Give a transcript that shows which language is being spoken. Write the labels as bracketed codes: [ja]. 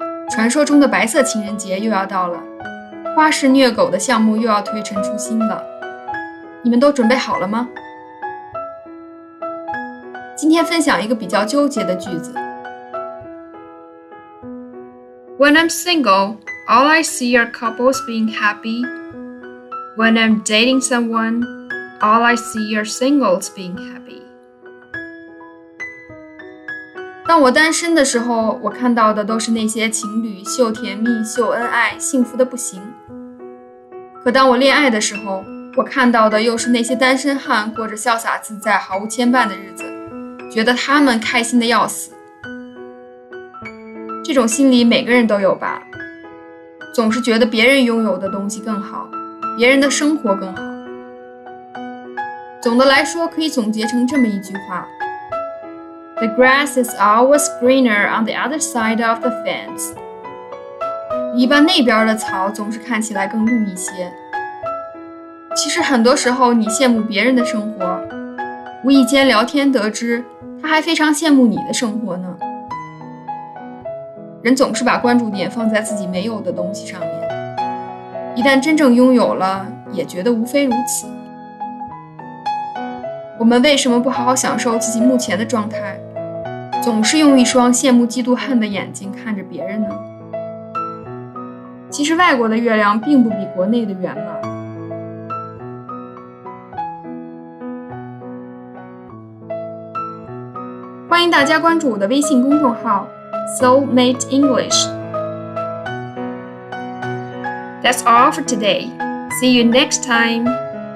[zh] 传说中的白色情人节又要到了，花式虐狗的项目又要推陈出新了，你们都准备好了吗？今天分享一个比较纠结的句子。 [en] When I'm single, all I see are couples being happy. When I'm dating someone, all I see are singles being happy. [zh] 当我单身的时候，我看到的都是那些情侣秀甜蜜、秀恩爱，幸福的不行。可当我恋爱的时候，我看到的又是那些单身汉过着潇洒自在、毫无牵绊的日子，觉得他们开心的要死。这种心理每个人都有吧，总是觉得别人拥有的东西更好，别人的生活更好。总的来说，可以总结成这么一句话， [en] The grass is always greener on the other side of the fence. [zh] 一般那边的草总是看起来更绿一些。其实很多时候你羡慕别人的生活，无意间聊天得知他还非常羡慕你的生活呢。人总是把关注点放在自己没有的东西上面，一旦真正拥有了，也觉得无非如此。我们为什么不好好享受自己目前的状态，总是用一双羡慕嫉妒恨的眼睛看着别人呢？其实外国的月亮并不比国内的圆吧。欢迎大家关注我的微信公众号 Soulmate English. [en] That's all for today. See you next time.